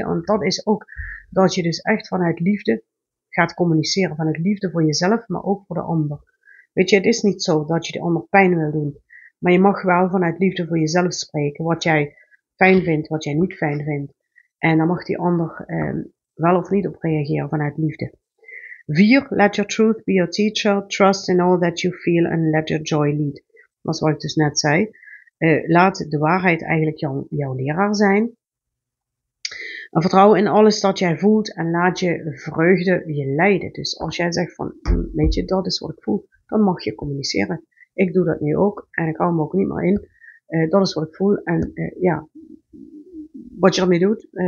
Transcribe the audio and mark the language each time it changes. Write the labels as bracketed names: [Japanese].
[Dutch] En dat is ook dat je dus echt vanuit liefde gaat communiceren. Vanuit liefde voor jezelf, maar ook voor de ander. Weet je, het is niet zo dat je de ander pijn wil doen. Maar je mag wel vanuit liefde voor jezelf spreken. Wat jij fijn vindt, wat jij niet fijn vindt. En dan mag die ander wel of niet op reageren vanuit liefde. 4. [English] Let your truth be your teacher. Trust in all that you feel and let your joy lead. [Dutch] Dat is wat ik dus net zei. Laat de waarheid eigenlijk jouw leraar zijn. En vertrouw in alles dat jij voelt en laat je vreugde je leiden. Dus als jij zegt van, weet je, dat is wat ik voel, dan mag je communiceren. Ik doe dat nu ook en ik hou me ook niet meer in. Dat is wat ik voel en ja, wat je ermee doet.